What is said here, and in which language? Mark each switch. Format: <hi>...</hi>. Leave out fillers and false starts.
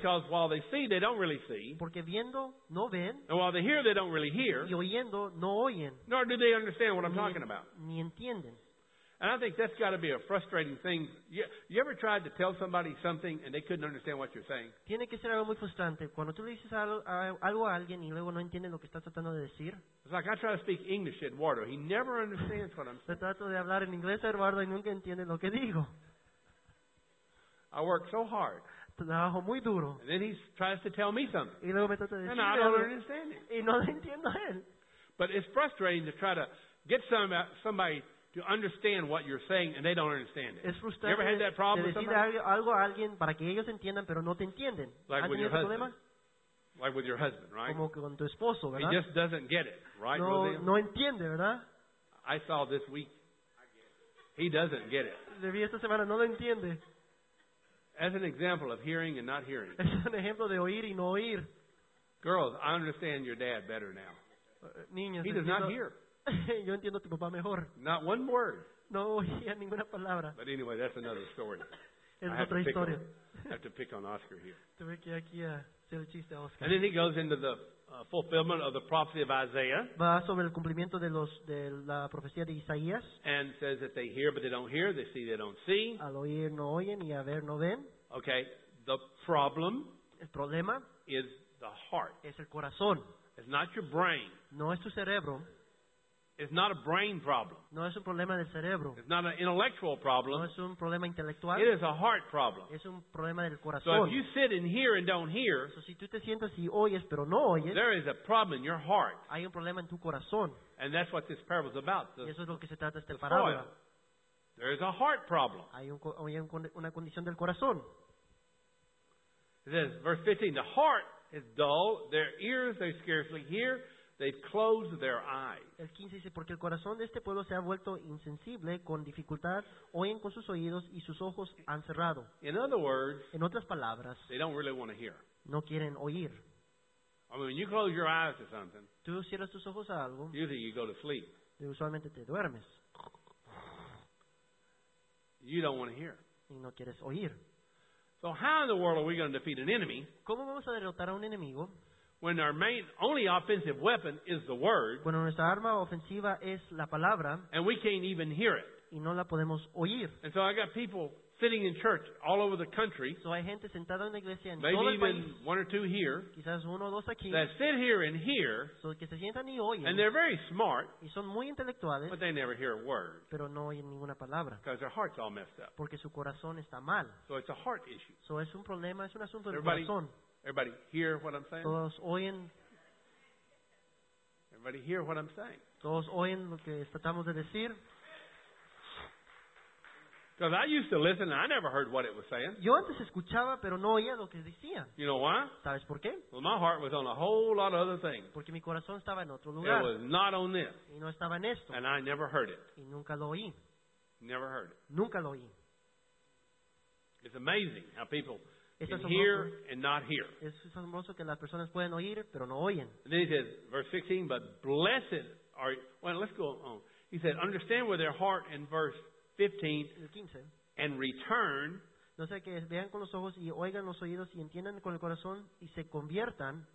<en>Because while they see, they don't really see.</en> <es>Porque viendo, no ven.</es> <en>And while they hear, they don't really hear.</en> <es>Y oyendo, no oyen.</es> <en>Nor do they understand what I'm talking about.</en> <es>Ni entienden.</es> <en>And I think that's got to be a frustrating thing. You ever tried to tell somebody something and they couldn't understand what you're saying?</en> <es>Tiene que ser algo muy frustrante cuando tú le dices algo a alguien y luego no entiende lo que estás tratando de decir.</es> <en>It's like I try to speak English to Eduardo. He never understands what I'm saying.</en> <es>Trato de hablar en inglés a Eduardo y nunca entiende lo que digo.</es> <en>I work so hard.</en> <es>Trabajo muy duro.</es> <en>And then he tries to tell me something.</en> <es>Y luego me trata de decir</es> <en>algo. And I don't understand it.</en> <es>Y no lo entiendo él.</es> <en>But it's frustrating to try to get somebody to understand what you're saying and they don't understand it. You ever had that problem with somebody?</en> <es>Algo a alguien para que ellos entiendan, pero no te entienden.</es> <en>Like with your husband. Like with your husband, right?</en> <es>Como con tu esposo, ¿verdad?</es> <en>He just doesn't get it, right,</en> <es>no,</es> <en>Roseanne?</en> <es>No entiende, ¿verdad?</es> <en>I saw this week. He doesn't get it.</en> <es>Le vi esta semana, no lo entiende.</es> <en>As an example of hearing and not hearing.</en> <es>Es un ejemplo de oír y no oír.</es> <en>Girls, I understand your dad better now.</en> <es>Niños,</es> <en>he does not hear.</en> <es>Yo entiendo a tu papá mejor.</es> <en>Not one word.</en> <es>No oía ninguna palabra.</es> <en>But anyway, that's another story.</en> <es>Es otra historia.</es> <en>I have to pick on Oscar here.</en> <es>Tuve que aquí hacer el chiste a Oscar.</es> <en>And then he goes into the fulfillment of the prophecy of Isaiah.</en> <es>Va sobre el cumplimiento de los de la profecía de Isaías.</es> <en>And says that they hear but they don't hear, they see they don't see.</en> <es>Al oír no oyen y a ver no ven.</es> <en>Okay, the problem.</en> <es>El problema</es> <en>is the heart.</en> <es>Es el corazón.</es> <en>It's not your brain.</en> <es>No es tu cerebro.</es> <en>It's not a brain problem.</en> <es>No es un problema del cerebro.</es> <en>It's not an intellectual problem.</en> <es>No es un problema intelectual.</es> <en>It is a heart problem.</en> <es>Es un problema del corazón.</es> <en>So if you sit and hear and don't hear,</en> <es>so si tú te sientas y oyes pero no oyes,</es> <en>there is a problem in your heart.</en> <es>Hay un problema en tu corazón.</es> <en>And that's what this parable is about.</en> <es>Y eso es lo que se trata esta parábola.</es> <en>There is a heart problem.</en> <es>Hay una condición del corazón.</es> <en>It says, verse 15, the heart is dull, their ears they scarcely hear, They've closed their eyes.</en> <es>El 15 dice, porque el corazón de este pueblo se ha vuelto insensible con dificultad, oyen con sus oídos y sus ojos han cerrado.</es> <en>In other words,</en> <es>en otras palabras,</es> <en>they don't really want to hear.</en> <es>No quieren oír.</es> <en>I mean, when you close your eyes to something,</en> <es>tú cierras tus ojos a algo,</es> <en>usually you go to sleep.</en> <es>Usualmente te duermes.</es> <en>You don't want to hear.</en> <es>Y no quieres oír.</es> <en>So how in the world are we going to defeat an enemy?</en> <es>¿Cómo vamos a derrotar a un enemigo?</es> <en>When our main only offensive weapon is the word.</en> <es>Cuando nuestra arma ofensiva es la palabra.</es> <en>And we can't even hear it.</en> <es>Y no la podemos oír.</es> <en>And so I got people sitting in church all over the country.</en> <es>So hay gente sentada en la iglesia en todo el país.</es> <en>Maybe even one or two here.</en> <es>Quizás uno o dos aquí.</es> <en>That sit here and hear.</en> <es>So que se sientan y oyen.</es> <en>And they're very smart.</en> <es>Y son muy intelectuales.</es> <en>But they never hear a word.</en> <es>Pero no oyen ninguna palabra.</es> <en>Because their heart's all messed up.</en> <es>Porque su corazón está mal.</es> <en>So it's a heart issue.</en> <es>So es un problema, es un asunto del corazón.</es> <en>Everybody hear what I'm saying?</en> <es>Todos oyen.</es> <en>Everybody hear what I'm saying?</en> <es>Todos oyen lo que tratamos de decir.</es> <en>Because I used to listen and I never heard what it was saying.</en> <es>Yo antes escuchaba, pero no oía lo que decía.</es> <en>You know why?</en> <es>¿Sabes por qué?</es> <en>Well, my heart was on a whole lot of other things.</en> <es>Porque mi corazón estaba en otro lugar.</es> <en>It was not on this.</en> <es>Y no estaba en esto.</es> <en>And I never heard it.</en> <es>Y nunca lo oí.</es> <en>Never heard it.</en> <es>Nunca lo oí.</es> <en>It's amazing how people can hear and not hear.</en> <es>Es asombroso que las personas pueden oír, pero no oyen.</es> <en>And then he says, verse 16, but blessed are... Well, let's go on. He said, understand with their heart in verse 15 and return.</en> <es>No sé, que vean con los ojos y oigan los oídos y entiendan con el corazón y se conviertan.</es>